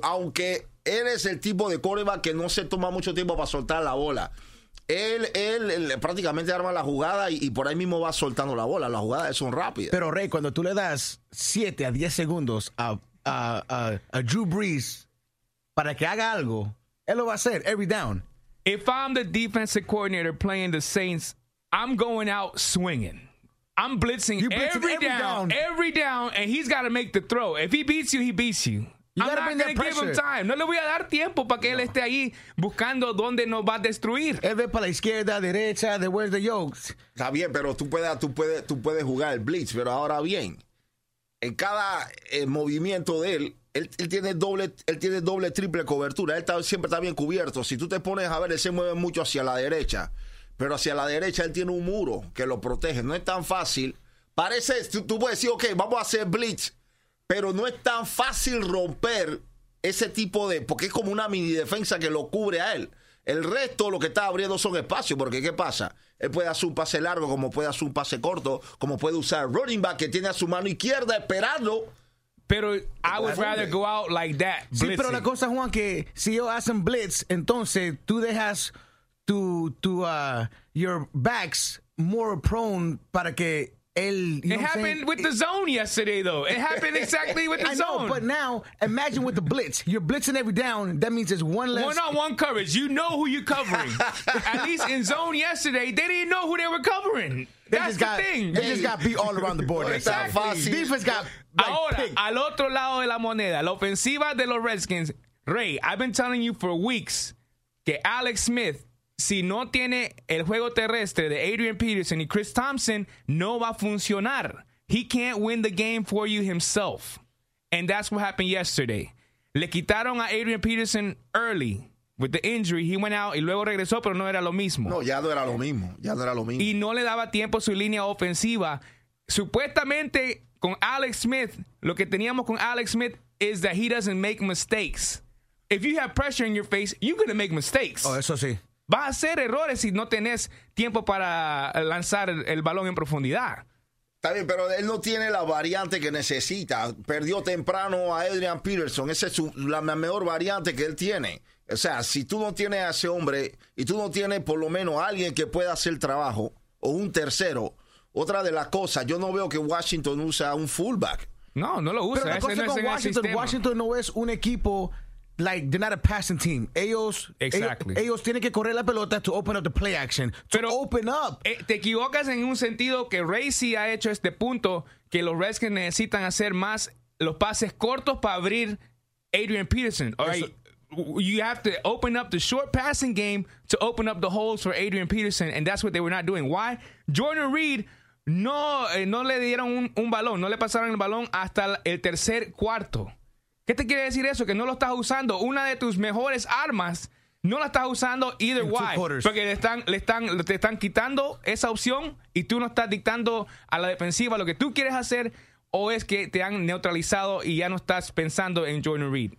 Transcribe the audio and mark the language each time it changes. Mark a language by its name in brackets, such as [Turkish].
[Spanish] Aunque él es el tipo de quarterback que no se toma mucho tiempo para soltar la bola. Él prácticamente arma la jugada y por ahí mismo va soltando la bola. Las jugadas son rápidas. Pero, Rey, cuando tú le das 7 a 10 segundos a Drew Brees para que haga algo, él lo va a hacer [English] every down. If I'm the defensive coordinator playing the Saints, I'm going out swinging. I'm blitzing, every down, and he's got to make the throw. If he beats you, he beats you. I'm not going to give him time. [Spanish] No le voy a dar tiempo para que él esté ahí buscando dónde nos va a destruir. Él ve para la izquierda, derecha, de [English] where's the yokes. [Spanish] Está bien, pero tú puedes jugar el blitz, pero ahora bien, en cada movimiento de él, él tiene doble, triple cobertura. Él está, siempre está bien cubierto. Si tú te pones a ver, él se mueve mucho hacia la derecha. Pero hacia la derecha él tiene un muro que lo protege. No es tan fácil. Parece, tú puedes decir, ok, vamos a hacer blitz. Pero no es tan fácil romper ese tipo de... Porque es como una mini defensa que lo cubre a él. El resto, lo que está abriendo son espacios. Porque, ¿qué pasa? Él puede hacer un pase largo, como puede hacer un pase corto, como puede usar el running back que tiene a su mano izquierda esperando. Pero [English] I would rather go out like that, blitzing. [Spanish] Sí, pero la cosa, Juan, que si yo hacen blitz, entonces tú dejas... [English] To your backs more prone [Spanish] para que él. [English] It happened with the zone yesterday, though. It happened exactly with the zone. I know, but now imagine with the blitz. You're blitzing every down. That means it's one less. One on one coverage. You know who you're covering. At least in zone yesterday, they didn't know who they were covering. That's the thing. They just got beat all around the board. Exactly. Defense got. [Spanish] Ahora, al otro lado de la moneda, la ofensiva de los Redskins. [English] Ray, I've been telling you for weeks [Spanish] que [English] Alex Smith. [Spanish] Si no tiene el juego terrestre de Adrian Peterson y Chris Thompson, no va a funcionar. [English] He can't win the game for you himself. And that's what happened yesterday. [Spanish] Le quitaron a [English] Adrian Peterson early with the injury. He went out [Spanish] y luego regresó, pero no era lo mismo. No, ya no era lo mismo. Y no le daba tiempo a su línea ofensiva. Supuestamente, con Alex Smith, lo que teníamos con Alex Smith [English] is that he doesn't make mistakes. If you have pressure in your face, you're going to make mistakes. [Spanish] Oh, eso sí. Vas a hacer errores si no tenés tiempo para lanzar el balón en profundidad. Está bien, pero él no tiene la variante que necesita. Perdió temprano a Adrian Peterson. Esa es la mejor variante que él tiene. O sea, si tú no tienes a ese hombre y tú no tienes por lo menos alguien que pueda hacer el trabajo o un tercero, otra de las cosas, yo no veo que Washington use un fullback. No, no lo usa. Pero la cosa con Washington no es un equipo... [English] Like, they're not a passing team. [Spanish] Ellos tienen que correr la pelota [English] to open up the play action. [Spanish] Te equivocas en un sentido que Ray sí ha hecho este punto, que los Redskins necesitan hacer más los pases cortos para abrir Adrian Peterson. [English] You have to open up the short passing game to open up the holes for Adrian Peterson, and that's what they were not doing. Why? [Spanish] Jordan Reed, no le dieron un balón, no le pasaron el balón hasta el tercer cuarto. ¿Qué te quiere decir eso? Que no lo estás usando. Una de tus mejores armas no la estás usando [English] either way. [Spanish] Porque te están quitando esa opción y tú no estás dictando a la defensiva lo que tú quieres hacer o es que te han neutralizado y ya no estás pensando en Jordan Reed.